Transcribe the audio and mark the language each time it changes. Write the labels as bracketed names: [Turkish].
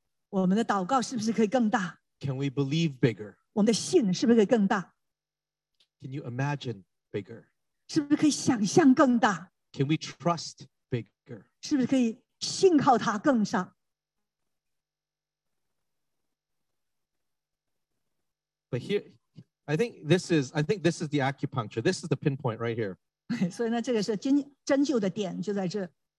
[Chinese] 我们的祷告是不是可以更大? [English] Can we believe bigger? [Chinese] 我们的信是不是可以更大? [English] Can you imagine bigger? [Chinese] 是不是可以想象更大? [English] Can we trust bigger? [Chinese] 是不是可以信靠他更上? [English] But here, I think this is the acupuncture. This is the pinpoint right here. [Chinese] 所以呢，这个是针灸的点就在这。